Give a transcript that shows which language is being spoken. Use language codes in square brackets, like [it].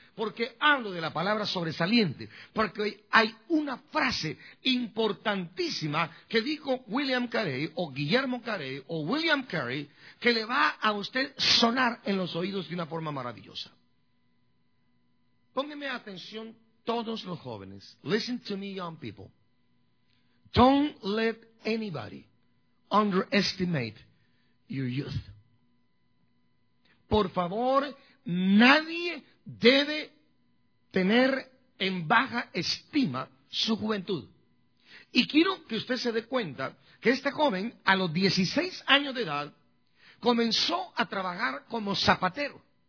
[es] Porque hablo de la palabra sobresaliente, porque hay una frase importantísima que dijo William Carey, o Guillermo Carey, o William Carey, que le va a usted sonar en los oídos de una forma maravillosa. Póngame atención todos los jóvenes. [en] Listen to me, young people. Don't let anybody underestimate your youth. [es] Por favor, nadie debe tener en baja estima su juventud. Y quiero que usted se dé cuenta que este joven, a los 16 años de edad, comenzó a trabajar como zapatero.